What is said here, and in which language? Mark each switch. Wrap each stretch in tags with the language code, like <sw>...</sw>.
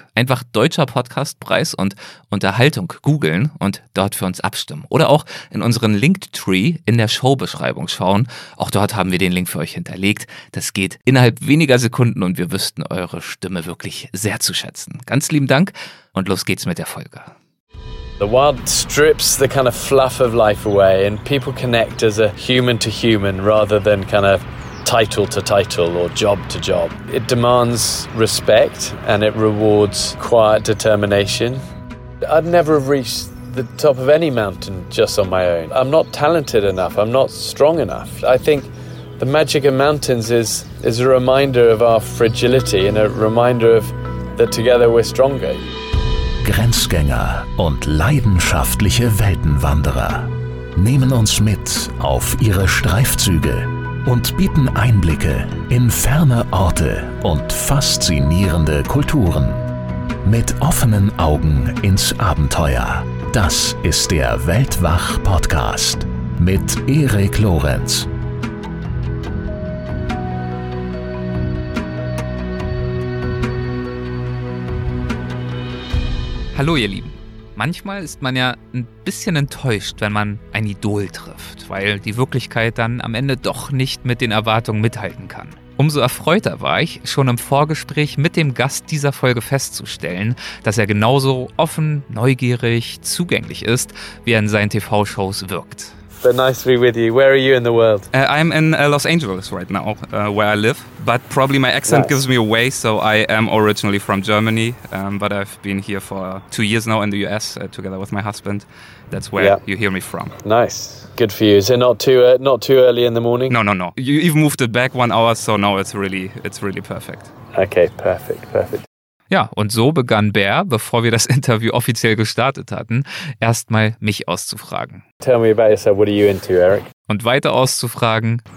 <de>Einfach Deutscher Podcastpreis und Unterhaltung googeln und dort für uns abstimmen. Oder auch in unseren Linktree in der Showbeschreibung schauen. Auch dort haben wir den Link für euch hinterlegt. Das geht innerhalb weniger Sekunden und wir wüssten eure Stimme wirklich sehr zu schätzen. Ganz lieben Dank und los geht's mit der Folge.</de> <en>The wild strips the kind of fluff of life away and people connect as a human to human rather than kind of title to title or job to job. It demands respect and it rewards quiet determination. I'd never have reached the top of any mountain just on my own. I'm not talented enough. I'm not strong enough. I think the magic of mountains is a reminder of our fragility and a reminder of that together we're stronger.</en> <de>Grenzgänger und leidenschaftliche Weltenwanderer nehmen uns mit auf ihre Streifzüge und bieten Einblicke in ferne Orte und faszinierende Kulturen. Mit offenen Augen ins Abenteuer. Das ist der Weltwach-Podcast mit Erik Lorenz. Hallo ihr Lieben. Manchmal ist man ja ein bisschen enttäuscht, wenn man ein Idol trifft, weil die Wirklichkeit dann am Ende doch nicht mit den Erwartungen mithalten kann. Umso erfreuter war ich, schon im Vorgespräch mit dem Gast dieser Folge festzustellen, dass er genauso offen, neugierig, zugänglich ist, wie er in seinen TV-Shows wirkt.</de> <en>But nice to be with you. Where are you in the world? I'm in Los Angeles right now, where I live. But probably my accent nice. Gives me away, so I am originally from Germany. But I've been here for 2 years now in the US together with my husband. That's where you hear me from. Nice. Good for you. Is it not too early in the morning? No. You even moved it back 1 hour, so now it's really perfect. Okay, perfect.</en> <de>Ja, und so begann Bear, bevor wir das Interview offiziell gestartet hatten, erstmal mich auszufragen.</de> <en>Tell me about yourself. What are you into, Eric?</en> <de>Und weiter auszufragen.</de>